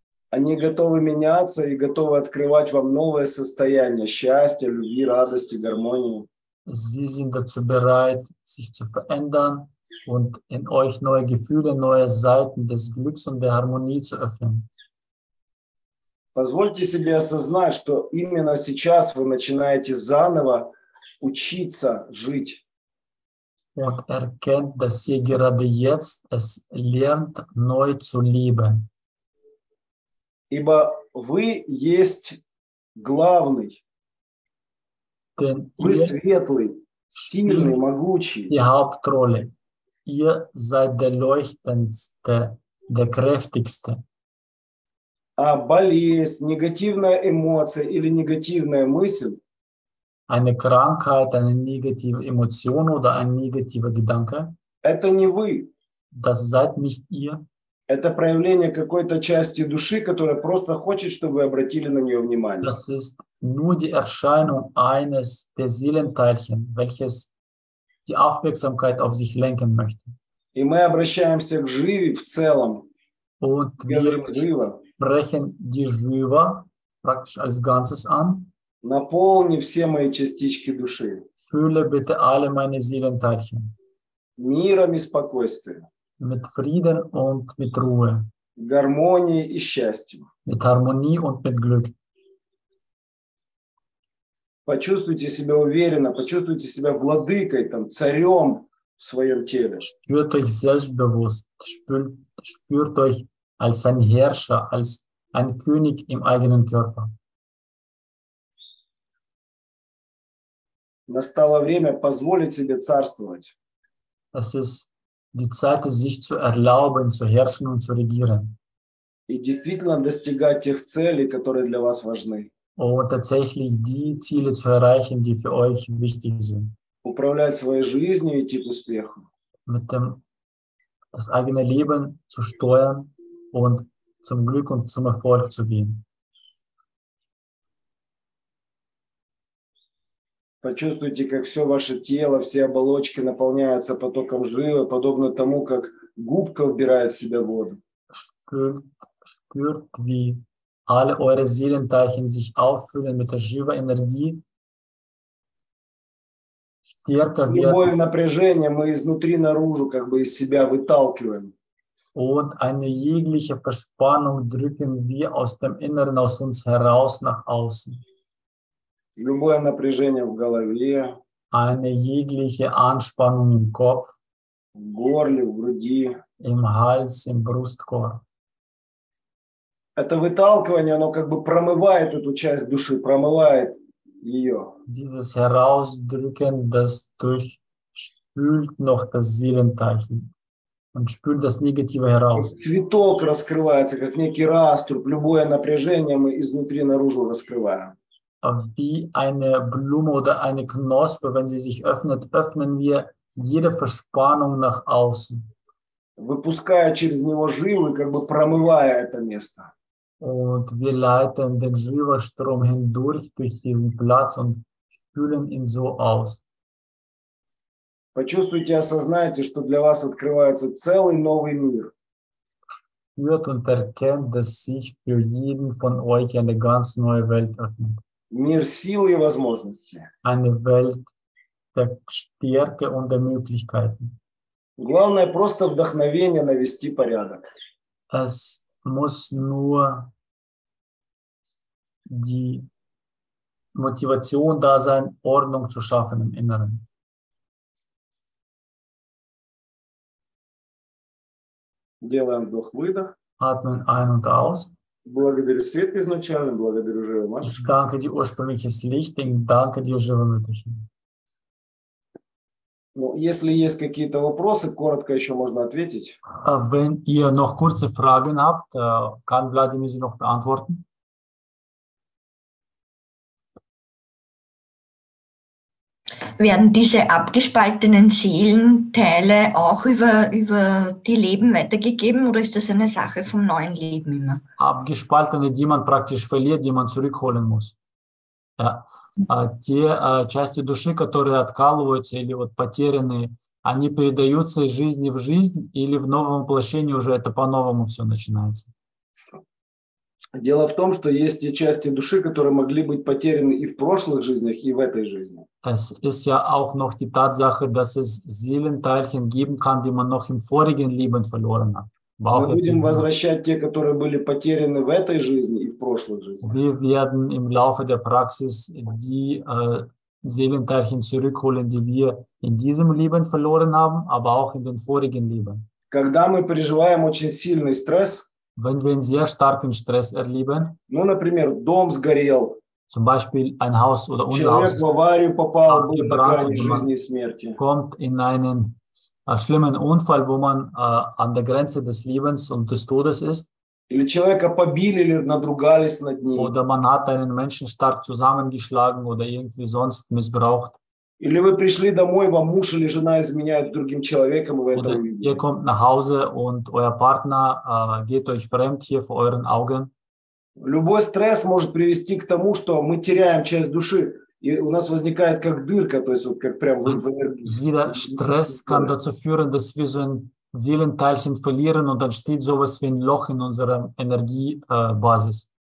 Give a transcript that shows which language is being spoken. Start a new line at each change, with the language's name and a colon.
Russian: Они готовы меняться и готовы открывать вам новое состояние счастья, любви, радости, гармонии.
German: Sie sind dazu bereit, sich zu verändern und in euch neue Gefühle, neue Seiten des Glücks und der Harmonie zu öffnen.
Russian: Позвольте себе осознать, что именно сейчас вы начинаете заново учиться жить.
German: Und erkennt, dass ihr gerade jetzt es lernt, neu zu lieben.
Russian: Ибо вы есть главный.
German: Denn
Russian: вы светлый, сильный, могучий.
German: Die Hauptrolle. Ihr seid der leuchtendste, der kräftigste.
Russian: А болезнь, негативная эмоция или негативная мысль.
German: Eine Krankheit, eine negative Emotion oder ein negativer Gedanke.
Russian: Это не вы.
German: Das seid nicht ihr.
Russian: Это проявление какой-то части души, которая просто хочет, чтобы вы обратили на нее внимание.
German: Das ist nur die Erscheinung eines der Seelenteilchen, welches die Aufmerksamkeit auf sich lenken möchte.
Russian: И мы обращаемся к живи в целом.
German: Und wir sprechen die Jiva praktisch als Ganzes an.
Russian: Наполни все мои частички души.
German: Fülle bitte alle meine Seelenteilchen.
Russian: Миром и спокойствием.
German: Mit Frieden und mit Ruhe.
Russian: Гармонии и счастьем.
German: Mit Harmonie und mit Glück.
Russian: Почувствуйте себя уверенно, почувствуйте себя владыкой, там, царем в своем теле.
German: Spürt euch selbstbewusst, spürt euch als ein Herrscher, als ein König im eigenen Körper.
Russian: Настало время позволить себе царствовать.
German: Es ist die Zeit, sich zu erlauben, zu herrschen und zu regieren.
Russian: И действительно достигать тех целей, которые для вас важны.
German: Und tatsächlich die Ziele zu erreichen, die für euch wichtig sind.
Russian: Управлять своей жизнью и идти к успеху.
German: Mit dem, das eigene Leben zu steuern und zum Glück und zum Erfolg zu gehen.
Russian: Почувствуйте, как все ваше тело, все оболочки наполняются потоком живы, подобно тому, как губка вбирает в себя воду.
German: Spürt, wie alle eure Seelenteilchen sich auffüllen mit der Jiva-Energie. Stärker werden.
Russian: Любое напряжение мы изнутри наружу, как бы из себя выталкиваем.
German: Und eine jegliche Verspannung drücken wir aus dem Inneren, aus uns heraus nach außen.
Russian: Любое напряжение в голове.
German: Eine jegliche Anspannung im Kopf.
Russian: В горле, в груди.
German: Im Hals, im Brustkorb.
Russian: Это выталкивание, оно как бы промывает эту часть души, промывает ее.
German: Dieses Herausdrücken, das durchspült noch das Seelenteilchen. Und spült das Negative heraus.
Russian: Цветок раскрывается, как некий раструб. Любое напряжение мы изнутри наружу раскрываем.
German: Wie eine Blume oder eine Knospe, wenn sie sich öffnet, öffnen wir jede Verspannung nach außen.
Russian: Выпуская через него живы, как бы промывая это место.
German: Und wir leiten den Jiva-Strom hindurch durch diesen Platz und spülen ihn so aus.
Russian: Почувствуйте, осознайте, что для вас открывается целый новый мир.
German: Spürt und erkennt, dass sich für jeden von euch eine ganz neue Welt öffnet.
Russian: Мир силы и возможностей.
German: Eine Welt der Stärke und der Möglichkeiten.
Russian: Главное просто вдохновение навести порядок.
German: Es muss nur die Motivation da sein, Ordnung zu schaffen im Inneren.
Russian: Делаем вдох-выдох.
German: Atmen ein und aus.
Russian: Благодарю свет изначально, благодарю живую матушку.
German: Ich danke dir ursprüngliches Licht, ich danke dir
Russian: живую матушку. Ну, если есть какие-то вопросы, коротко еще можно ответить.
German: Wenn ihr noch kurze Fragen habt, kann Vladimir sie noch beantworten. Werden diese abgespaltenen Seelenteile auch über die Leben weitergegeben oder ist das eine Sache vom neuen Leben immer? Abgespaltene, die man praktisch verliert, die man zurückholen muss. Ja.
Russian: Те части души, которые откалываются или вот потерянные, они передаются из жизни в жизнь или в новом воплощении уже это по-новому все начинается? Дело в том, что есть те части души, которые могли быть потеряны и в прошлых жизнях, и в этой жизни.
German: Es ist ja auch noch die Tatsache, dass es Seelenteilchen geben kann, die man noch im vorigen Leben verloren hat.
Russian: Мы будем возвращать те, которые были потеряны в этой жизни и в прошлой жизни.
German: Wir werden im Laufe der Praxis die Seelenteilchen zurückholen, die wir in diesem Leben verloren haben, aber auch in den vorigen Leben.
Russian: Когда мы переживаем очень сильный стресс,
German: wenn wir einen sehr starken Stress erleben,
Russian: ну, например, дом сгорел,
German: zum Beispiel ein Haus oder unser
Russian: человек
German: Haus
Russian: в аварию попал, был на грани жизни и смерти,
German: kommt in einen schlimmen Unfall, wo man an der Grenze des Lebens und des Todes ist,
Russian: или человека побили или надругались над ним,
German: oder man hat einen Menschen stark zusammengeschlagen oder irgendwie sonst missbraucht,
Russian: или вы пришли домой, вам муж или жена изменяет другим человеком, вы
German: oder ihr kommt nach Hause und euer Partner geht euch fremd hier vor euren Augen.
Russian: Любой стресс может привести к тому, что мы теряем часть души. И у нас возникает как дырка, то есть вот как прям в энергии.
German: Jeder Stress kann dazu führen, dass wir so ein Seelenteilchen verlieren und dann steht sowas wie ein Loch in unserer Energiebasis.